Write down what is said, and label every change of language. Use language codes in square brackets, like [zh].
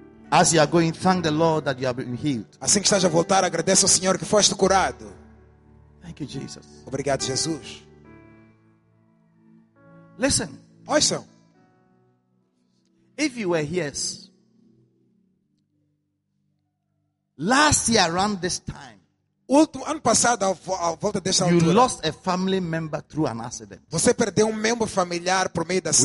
[en] As you are going, thank the Lord that you have been healed. [pt] Assim que estás a voltar, agradece ao Senhor que foste curado. [en] Thank you, Jesus. [pt] Obrigado, Jesus. [en] Listen. [pt] Ouçam. [en] If you were here last year around this time, [pt] ano passado, ao volta desta altura, [en] you lost a family member through an accident. [pt] Você perdeu membro familiar por meio de acidente.